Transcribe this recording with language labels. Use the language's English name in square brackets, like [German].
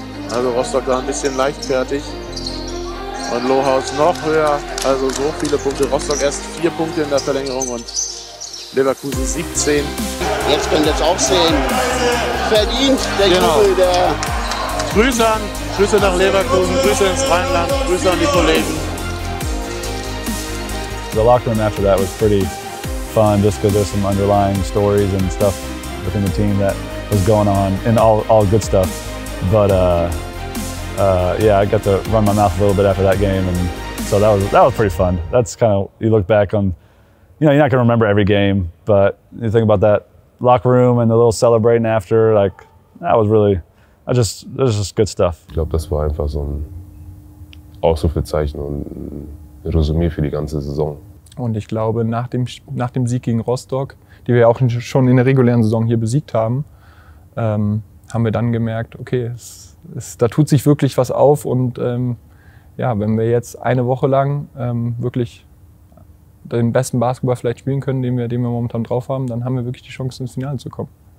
[German] Also Rostock war ein bisschen leichtfertig. Und Lohaus noch höher, also so viele Punkte. Rostock erst 4 Punkte in der Verlängerung und Leverkusen 17. Jetzt könnt ihr es auch sehen. Verdient der genau. Jubel. Der Grüße nach Leverkusen, Grüße ins Rheinland, Grüße an die Kollegen. [English] The locker room after that was pretty fun, just because there's some underlying stories and stuff within the team that was going on, and all good stuff. But yeah, I got to run my mouth a little bit after that game, and so that was pretty fun. That's kind of, you look back on, you know, you're not gonna remember every game, but you think about that locker room and the little celebrating after, like, that was really, that's just good stuff. [German] Ich glaube, das war einfach so ein Ausrufezeichen und ein Resümee für die ganze Saison. Und ich glaube, nach dem Sieg gegen Rostock, die wir ja auch schon in der regulären Saison hier besiegt haben, haben wir dann gemerkt, okay, da tut sich wirklich was auf und ja, wenn wir jetzt eine Woche lang wirklich den besten Basketball vielleicht spielen können, den wir momentan drauf haben, dann haben wir wirklich die Chance, ins Finale zu kommen.